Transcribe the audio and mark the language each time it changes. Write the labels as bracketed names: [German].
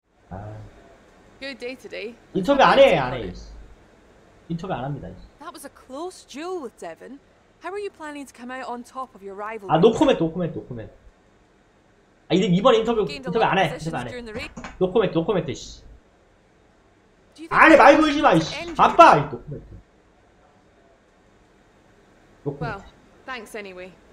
[Korean] 아. 인터뷰 안 해, 이씨. 인터뷰 안 합니다, 이씨. [English] That was a close duel with Devon. How are you planning to come out on top of your rival? [Korean] 아, 노코멘트. 아, 이제 이번 인터뷰 안 해. 노코멘트 씨. 안 해, 말 걸지 마, 씨. 바빠, 이 노코멘트. [English] Well, thanks anyway.